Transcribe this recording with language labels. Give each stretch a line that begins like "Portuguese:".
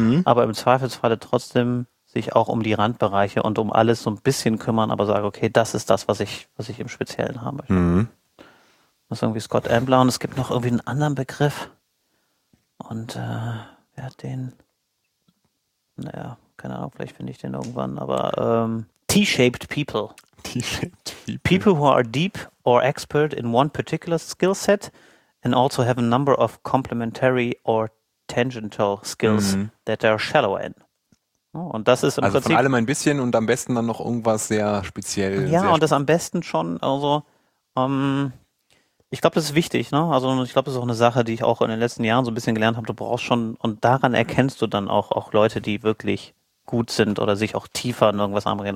German: Aber im Zweifelsfalle trotzdem sich auch um die Randbereiche und um alles so ein bisschen kümmern, aber sage, okay, das ist das, was ich im Speziellen haben möchte. Das ist irgendwie Scott Ambler und es gibt noch irgendwie einen anderen Begriff. Und wer hat den? Naja, keine Ahnung, vielleicht finde ich den irgendwann, aber T-shaped people.
English: T-shaped people. People who are deep or expert in one particular skill set and also have a number of complementary or tangential skills that they are shallow in.
German: Und das ist also Prinzip, von allem ein bisschen und am besten dann noch irgendwas sehr speziell. Ja, sehr und das am besten schon, also ich glaube, das ist wichtig, ne? Also ich glaube, das ist auch eine Sache, die ich auch in den letzten Jahren so ein bisschen gelernt habe. Du brauchst schon, und daran erkennst du dann auch Leute, die wirklich gut sind oder sich auch tiefer in irgendwas anbringen.